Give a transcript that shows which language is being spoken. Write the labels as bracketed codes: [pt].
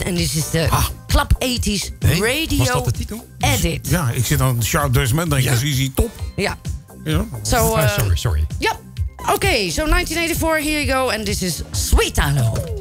[en] And this is the Club 80s radio edit. [nl] Ja, ik zit aan sharp dressed men, denk ik, dat is easy top. Ja. [en] So, sorry. Yep. Okay, so 1984, here you go, and this is Sweet Alo.